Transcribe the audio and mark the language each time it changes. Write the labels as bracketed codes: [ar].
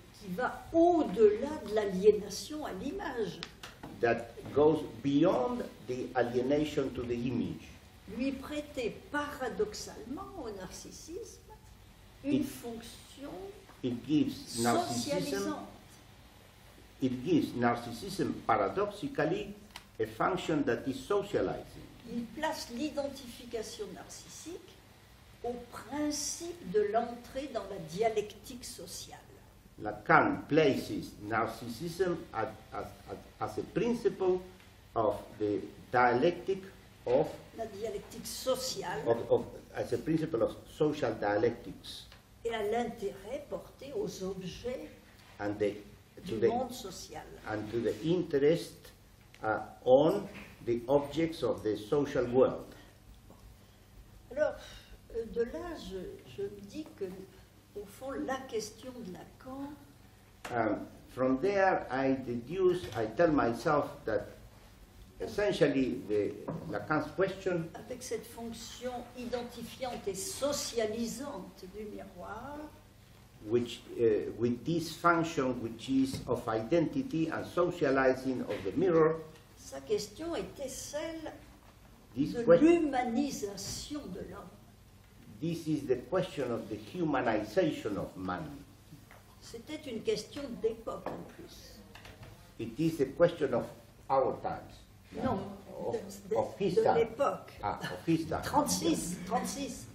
[fr] qui va au-delà de l'aliénation à l'image. [en] That goes beyond the alienation to the image. [fr] Lui prêter paradoxalement au narcissisme une fonction socialisante. [en] It gives narcissism paradoxically a function that is socializing. [fr] Il place l'identification narcissique au principe de l'entrée dans la dialectique sociale. [en] Lacan places narcissism as a principle of the dialectic of [fr] la dialectique sociale [en] of as a principle of social dialectics [fr] et à l'intérêt porté aux objets [en] and [fr] du monde social [en] and to the interest on the objects of the social world. [fr] Alors de là je me dis que au fond la question de Lacan [en] from there I tell myself that essentially the Lacan's question [fr] avec cette fonction identifiante et socialisante du miroir [en] which with this function which is of identity and socializing of the mirror [fr] sa question était celle de l'humanisation de l'homme. [en] This is the question of the humanization of man. [fr] C'était une question d'époque en plus. [en] It is a question of our times. [fr] Non, [en] of his time. [fr] De l'époque. [en] Ah, of his time. 36.